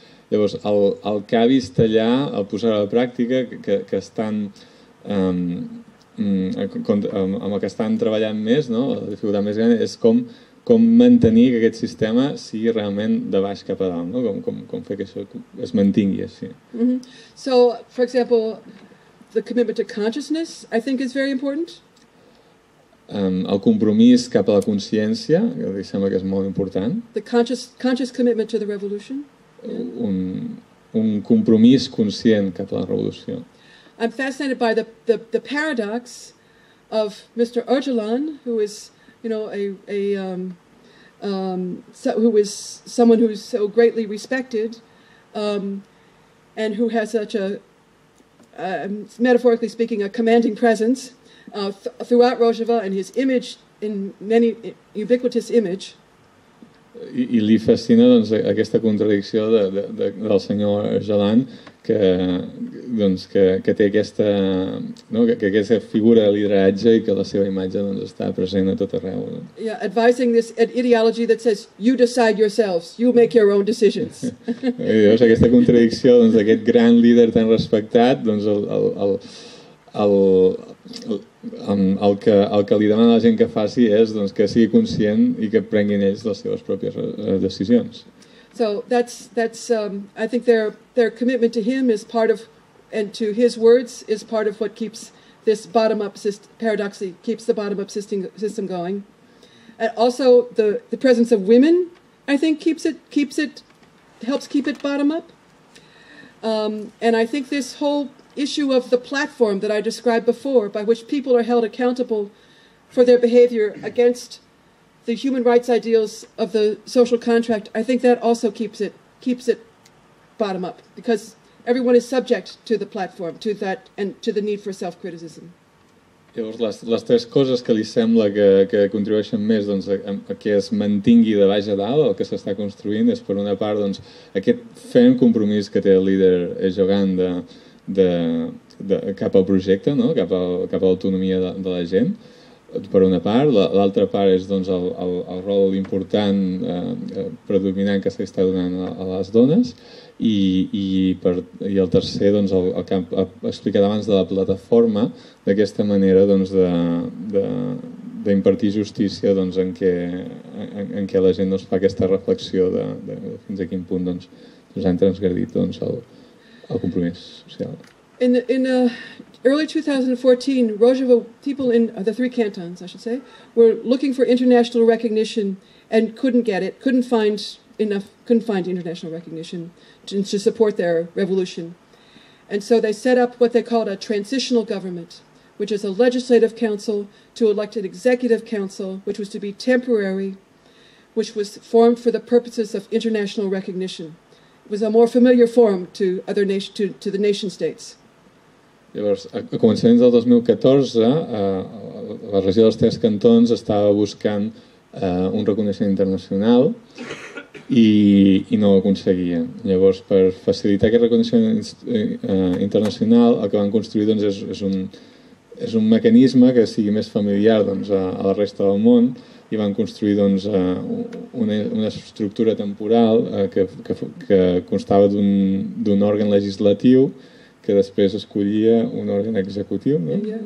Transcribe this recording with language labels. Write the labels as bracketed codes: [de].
[ca] Llavors, el que ha vist allà, el posar a la pràctica, que estan, amb el que estan treballant més, no? La dificultat més gran és com mantenir que aquest sistema sigui realment de baix cap a dalt, no? Com fer que això es mantingui així. Mm-hmm. [en] So, for example, the commitment to consciousness, I think, is very important. [ca] El compromís cap a la consciència, que li sembla que és molt important. [en] The conscious commitment to the revolution. [ca] Un compromís conscient cap a la revolució. [en] I'm fascinated by the paradox of Mr. Öcalan, who is, you know, who is someone who is so greatly respected, and who has such a, metaphorically speaking, a commanding presence. Throughout Rojava and his image in many ubiquitous image. [ca] I li fascina doncs aquesta contradicció del senyor Öcalan doncs que té aquesta, no, que aquesta figura de lideratge i que la seva imatge doncs està present a tot arreu. No? [en] Yeah, advising this ideology that says you decide yourselves, you make your own decisions. [ca] Llavors, aquesta contradicció doncs d'aquest gran líder tan respectat, doncs el que li demana a la gent que faci és doncs que sigui conscient i que prenguin ells les seves pròpies decisions. [en] So that's I think their commitment to him is part of, and to his words is part of what keeps this bottom-up paradoxy, keeps the bottom-up system going. And also the presence of women, I think, helps keep it bottom-up. And I think this whole issue of the platform that I described before, by which people are held accountable for their behavior against the human rights ideals of the social contract, I think that also keeps it bottom up, because everyone is subject to the platform, to that, and to the need for self-criticism. [ca] Llavors, les tres coses que li sembla que contribueixen més doncs a que es mantingui de baix a dalt el que s'està construint és, per una part, doncs aquest ferm compromís que té el líder Erdogan de cap al projecte, no? cap a l'autonomia de la gent, per una part. L'altra part és doncs el rol important predominant que s'està donant a les dones, i el tercer doncs el que ha explicat abans de la plataforma, d'aquesta manera doncs d'impartir justícia doncs en què la gent doncs fa aquesta reflexió de fins a quin punt doncs han transgredit doncs el compromís social. [en] Early 2014, Rojava people in the three cantons, I should say, were looking for international recognition and couldn't get it, couldn't find international recognition to support their revolution. And so they set up what they called a transitional government, which is a legislative council to elect an executive council, which was to be temporary, which was formed for the purposes of international recognition. It was a more familiar form to other nation, to the nation states. [ca] Llavors, a començaments del 2014, la regió dels Tres Cantons estava buscant un reconeixement internacional i no ho aconseguien. Llavors, per facilitar aquest reconeixement internacional, el que van construir doncs és un mecanisme que sigui més familiar doncs a la resta del món, i van construir doncs una estructura temporal que constava d'un òrgan legislatiu que després escollia un òrgan executiu, no?